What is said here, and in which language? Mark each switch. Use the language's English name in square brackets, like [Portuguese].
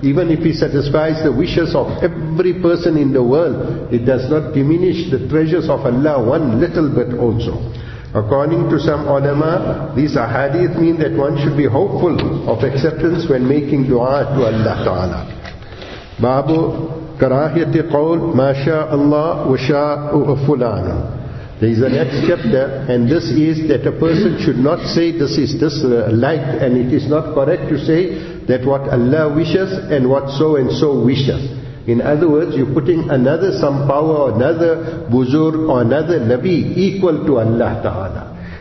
[English] Even if he satisfies the wishes of every person in the world, it does not diminish the treasures of Allah one little bit also. According to some ulama, these ahadith mean that one should be hopeful of acceptance when making dua to Allah Ta'ala. [Arabic] باب كراهية قول ما شاء الله وشاء فلان. [English] There is an next chapter, and this is that a person should not say this is disliked, and it is not correct to say that what Allah wishes and what so and so wishes. In other words, you're putting another some power, or another buzur, or another nabi equal to Allah Ta'ala.